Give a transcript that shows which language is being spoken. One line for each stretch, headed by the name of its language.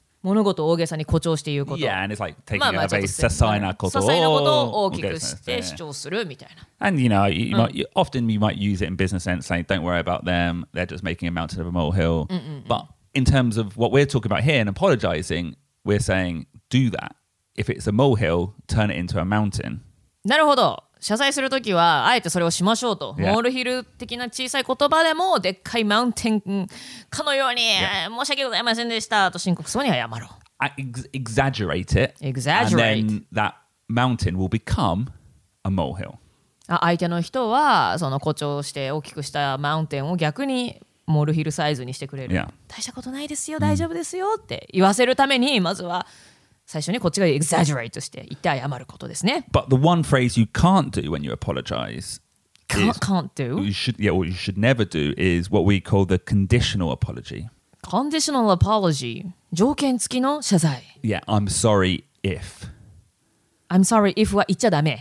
Japanese: 物事を大げさに誇張して言うこと。
English: Yeah, and it's like taking a very
Japanese: ささいなことを大きくして主張するみたいな。
English: And you know, often you might use it in business sense, saying, don't worry about them, they're just making a mountain of a molehill. But in terms of what we're talking about here and apologizing, we're saying, do that. If it's a molehill, turn it into a mountain.
Japanese: なるほど。謝罪するときはあえてそれをしましょうと、yeah. モールヒル的な小さい言葉でもでっかいマウンテンかのように、yeah. 申し訳ございませんでしたと深刻そうに謝ろう。
English: Exaggerate it. Exaggerate. And then that mountain will become a molehill.
Japanese: 相手の人はその誇張して大きくしたマウンテンを逆にモールヒルサイズにしてくれる。
English: Yeah.
Japanese: 大したことないですよ、大丈夫ですよって言わせるためにまずは最初にこっちが exaggerate して言って謝ることですね。
English: But the one phrase you can't do when you apologize can't do you should yeah or you should never do is what we call the conditional apology. Conditional apology
Japanese: 条件付きの謝罪。
English: Yeah, I'm sorry if. I'm sorry if
Japanese: は言っちゃダメ。